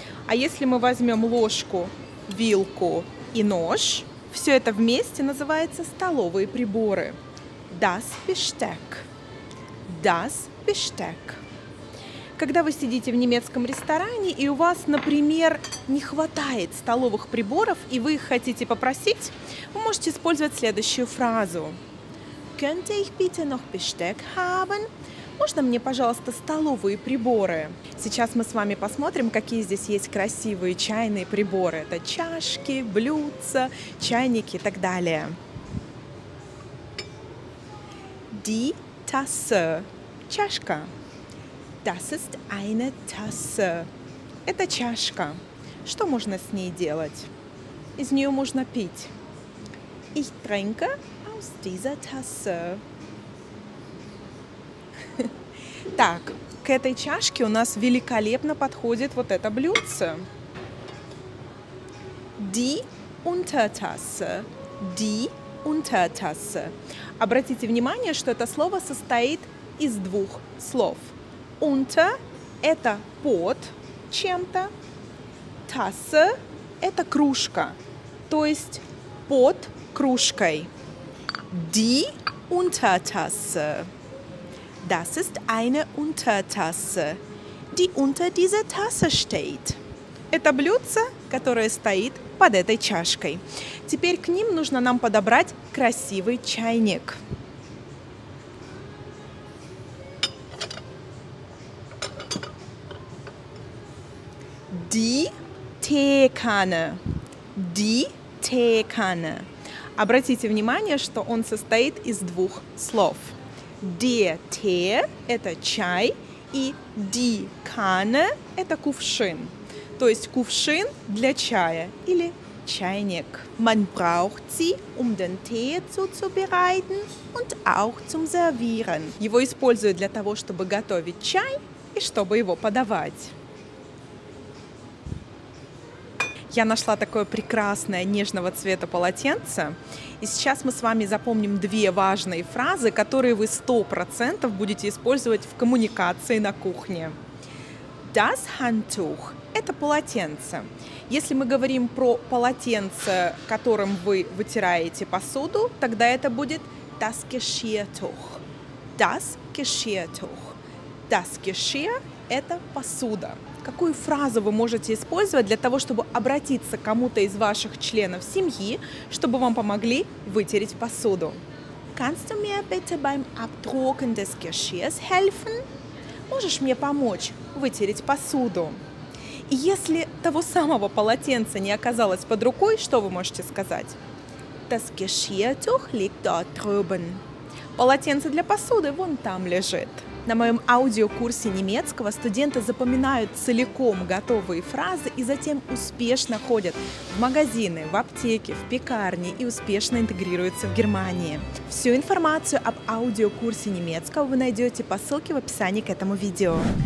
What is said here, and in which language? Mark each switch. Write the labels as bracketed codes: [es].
[ru] А если мы возьмем ложку, вилку и нож, все это вместе называется столовые приборы. [de] Das Besteck. Das Besteck. [ru] Когда вы сидите в немецком ресторане, и у вас, например, не хватает столовых приборов, и вы их хотите попросить, вы можете использовать следующую фразу. [de] Könnte ich bitte noch Besteck haben? [ru] Можно мне, пожалуйста, столовые приборы? Сейчас мы с вами посмотрим, какие здесь есть красивые чайные приборы. Это чашки, блюдца, чайники и так далее. [de] Die Tasse. [ru] Чашка. [de] Das ist eine Tasse. [ru] Это чашка. Что можно с ней делать? Из нее можно пить. [de] Ich trinke aus dieser Tasse. [ru] Так, к этой чашке у нас великолепно подходит вот это блюдце. [de] Die Untertasse. Die Untertasse. [ru] Обратите внимание, что это слово состоит из двух слов. Unter – это под чем-то, Tasse – это кружка, то есть под кружкой. [de] Die Untertasse. Das ist eine Untertasse, die unter dieser Tasse steht. [ru] Это блюдце, которое стоит под этой чашкой. Теперь к ним нужно нам подобрать красивый чайник. [de] Die Teekanne. Die Teekanne. [ru] Обратите внимание, что он состоит из двух слов. Die Tee – это чай, и die Kanne – это кувшин. То есть кувшин для чая или чайник. [de] Man braucht sie, um den Tee zuzubereiten und auch zum servieren. [ru] Его используют для того, чтобы готовить чай и чтобы его подавать. Я нашла такое прекрасное нежного цвета полотенце. И сейчас мы с вами запомним две важные фразы, которые вы 100% будете использовать в коммуникации на кухне. Das Handtuch – это полотенце. Если мы говорим про полотенце, которым вы вытираете посуду, тогда это будет das Geschirrtuch. [de] Das Geschirrtuch. Das Geschirr – [ru] это посуда. Какую фразу вы можете использовать для того, чтобы обратиться к кому-то из ваших членов семьи, чтобы вам помогли вытереть посуду? [de] Kannst du mir bitte beim Abtrocknen des Geschirrs helfen? [ru] Можешь мне помочь вытереть посуду? И если того самого полотенца не оказалось под рукой, что вы можете сказать? [de] Das Geschirrtuch liegt dort drüben. [ru] Полотенце для посуды вон там лежит. На моем аудиокурсе немецкого студенты запоминают целиком готовые фразы и затем успешно ходят в магазины, в аптеки, в пекарни и успешно интегрируются в Германии. Всю информацию об аудиокурсе немецкого вы найдете по ссылке в описании к этому видео.